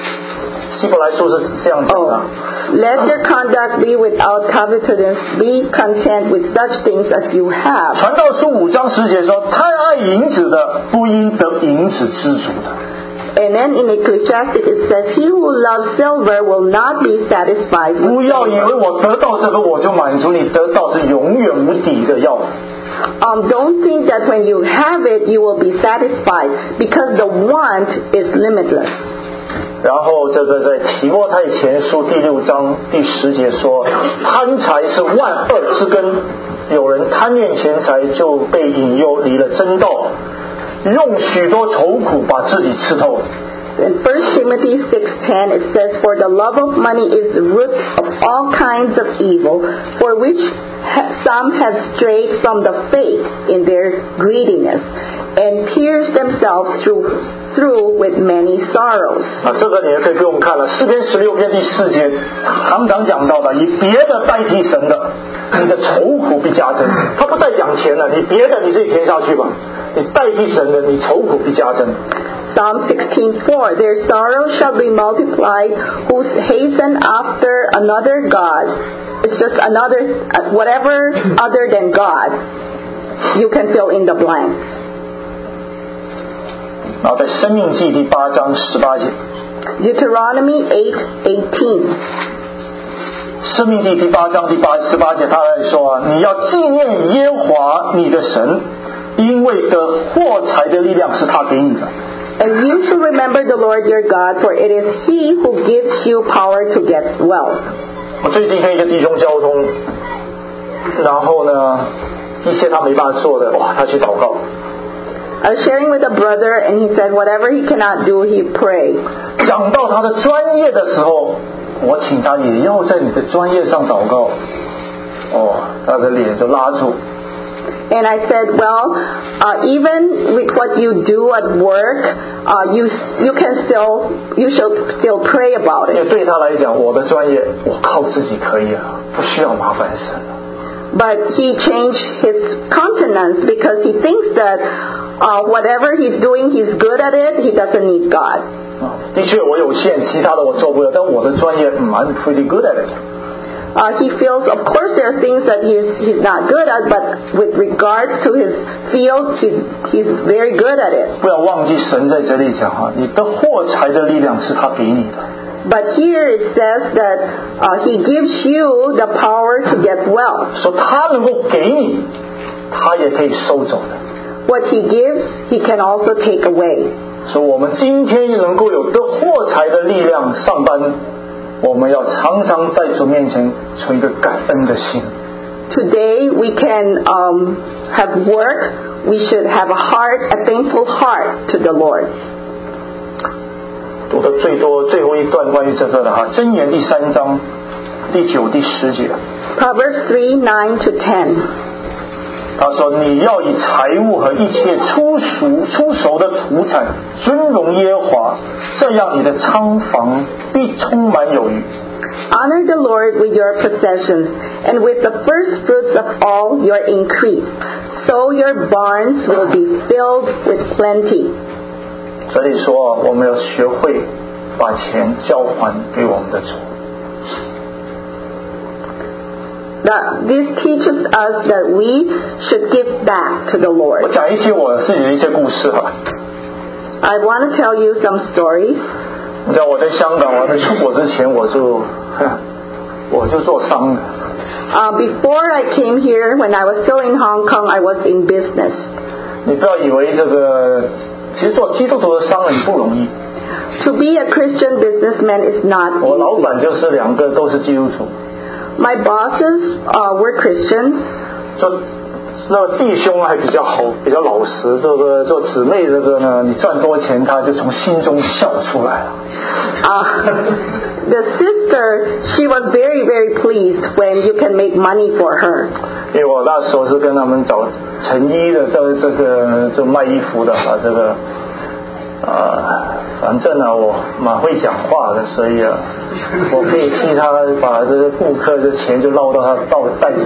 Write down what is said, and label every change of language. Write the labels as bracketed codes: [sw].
[zh] 跟这一段是连住的哈，他刚刚想到存心不可贪恋钱财，要以自己所有的为主。希伯来书是这样讲的。 [en] Let your conduct be without covetousness, be content with such things as you have. [zh] 传道书5章10节说，贪爱银子的不应得银子知足的。 [en] And then in Ecclesiastes it says, he who loves silver will not be satisfied with silver. [zh] 不要以为我得到这个我就满足你，得到是永远无底的，要 [en] Don't think that when you have it, you will be satisfied, because the want is limitless. [zh] 然后这个在提摩太前书第六章第十节说，贪财是万恶之根，有人贪恋钱财就被引诱离了真道，用许多愁苦把自己吃透。 [en] In 1 Timothy 6:10 it says, For the love of money is the root of all kinds of evil, for which some have strayed from the faith in their greediness, and pierced themselves through with many sorrows. [zh] 啊，这个你也可以给我们看了，诗篇16篇第四节，常常讲到的，以别的代替神的，你的愁苦必加增。他不再讲钱了，你别的你自己填下去吧，你代替神的，你愁苦必加增。 [en] Psalm 16:4, Their sorrow shall be multiplied, who hasten after another God. It's just another, whatever other than God. You can fill in the blank. [zh] 然后在《生命记》第八章十八节。 [en] Deuteronomy 8:18。 [zh] 《生命记》第八章第八十八节，他来说啊，你要纪念耶和华你的神，因为得获财的力量是他给你的。 [en] And you should remember the Lord your God, for it is He who gives you power to get wealth. [zh] 我最近跟一个弟兄交通，然后呢，一些他没办法做的，哇，他去祷告。 [en] I was sharing with a brother, and he said whatever he cannot do, he prayed. [zh] 讲到他的专业的时候，我请他也要在你的专业上祷告。哦，他的脸就拉住。 [en] And I said, well, even with what you do at work, you should still pray about it. [zh] 对他来讲，我的专业我靠自己可以了，不需要麻烦神了。 [en] But he changed his countenance because he thinks that whatever he's doing, he's good at it. He doesn't need God. [zh] 的确，我有限，其他的我做不了，但我的专业 [en] I'm pretty good at it. He feels, of course, there are things that he's not good at, but with regards to his field, he's very good at it. [zh] 不要忘记神在这里讲啊，你的获财的力量是他给你的。 [en] But here it says that he gives you the power to get wealth. [zh] 说他能够给你，他也可以收走的。 [en] What he gives, he can also take away. [zh] 说我们今天能够有的获财的力量上班。我们要常常在主面前存一个感恩的心。 [en] Today we can have work. We should have a heart, a thankful heart to the Lord. [zh] 读的最多最后一段关于这个的哈，箴言第三章第九第十节。 [en] Proverbs 3:9-10。 [zh] 他说：“你要以财物和一切出熟的土产尊荣耶和华，这样你的仓房必充满有余。” [en] Honor the Lord with your possessions and with the first fruits of all your increase, so your barns will be filled with plenty. [zh] 这里说，我们要学会把钱交还给我们的主。 [en] That this teaches us that we should give back to the Lord. [zh] 我讲一些我自己的一些故事吧。 [en] I want to tell you some stories. [zh] 你知道我在香港，我在出国之前，我就做商的。 [en] Before I came here, when I was still in Hong Kong, I was in business. [zh] 你不要以为这个，其实做基督徒的商人不容易。 [en] To be a Christian businessman is not easy. [zh] 我老板就是两个都是基督徒。 [en] My bosses were Christians. [zh] 就那弟兄还比较好，比较老实。这个做姊妹这个呢，你赚多钱，他就从心中笑出来了。 [en] The sister, she was very, very pleased when you can make money for her. [zh] 因为我那时候是跟他们找成衣的，这卖衣服的啊，这个啊。反正呢、啊，我蛮会讲话的，所以啊，我可以替他把这个顾客的钱就捞到他到袋子里。